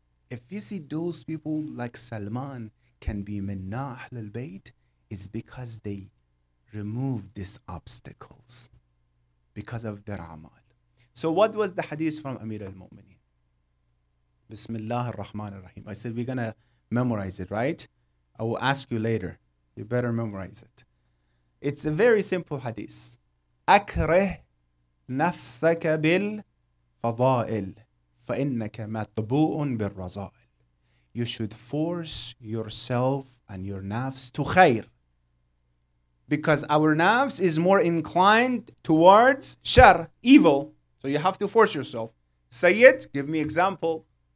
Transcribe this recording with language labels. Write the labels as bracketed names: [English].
[English] If you see those people like Salman can be minna Ahlul Bayt, it's because they remove these obstacles because of their amal. So what was the hadith from Amir al-Mu'mineen? Bismillah ar-Rahman ar-Rahim. I said, we're going to memorize it, right? I will ask you later. You better memorize it. It's a very simple hadith. [Arabic] أكره نفسك بالفضائل فإنك مطبوع بالرزائل. [English] You should force yourself and your nafs to khair, because our nafs is more inclined towards shar, evil. So you have to force yourself. Say it, give me example.